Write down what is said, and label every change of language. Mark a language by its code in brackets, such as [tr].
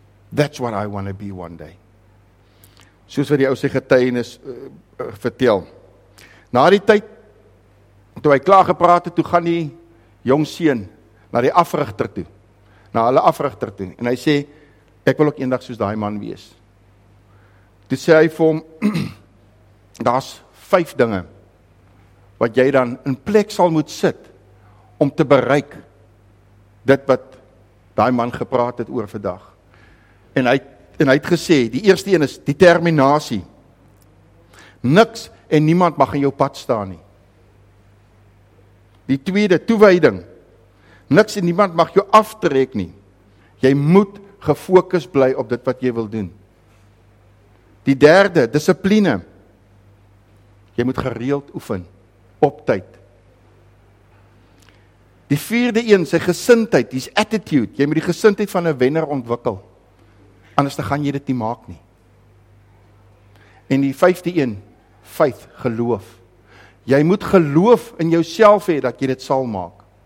[en] That's what I want to be one day. [af] Soos wat die ou sy getuienis vertel. Na die tyd, toe hy klaar gepraat het, toe gaan die jong seun na die africhter toe. Na hulle africhter toe. En hy sê, ek wil ook eendag soos daai man wees. Toe sê hy vir hom, daar's vyf dinge, wat jy dan in plek sal moet sit, om te bereik dit wat daai man gepraat het oor vandag. En hy het gesê, die eerste een is determinasie. Niks en niemand mag in jou pad staan nie. Die tweede, toewyding. Niks en niemand mag jou aftrek nie. Jy moet gefokus bly op dit wat jy wil doen. Die derde, dissipline. Jy moet gereeld oefen, op tyd. Die vierde een, sy gesindheid, [en] his attitude. [af] Jy moet die gesindheid van 'n wenner ontwikkel. Anders dan gaan jy dit nie maak nie. En die vyfde een, faith, geloof. Jy moet geloof in jouself hê dat jy dit sal maak.